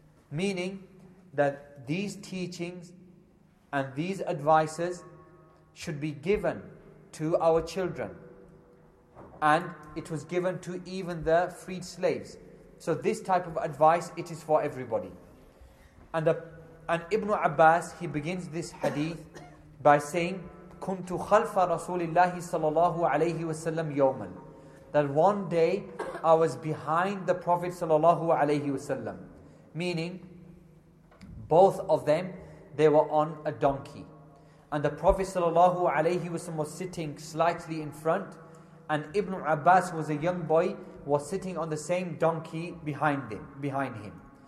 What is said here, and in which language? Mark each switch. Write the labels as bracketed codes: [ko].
[en] Meaning that these teachings and these advices should be given to our children. And it was given to even the freed slaves. So this type of advice, it is for everybody. And Ibn Abbas, he begins this hadith by saying, [ar] كُنْتُ خَلْفَ رَسُولِ اللَّهِ صَلَى اللَّهُ عَلَيْهِ وَسَلَّمْ يَوْمًا. [en] That one day I was behind the Prophet [ar] صلى الله عليه وسلم. [en] Meaning, both of them, they were on a donkey. And the Prophet [ar] صلى الله عليه وسلم [en] was sitting slightly in front. And Ibn Abbas, who was a young boy, was sitting on the same donkey behind him.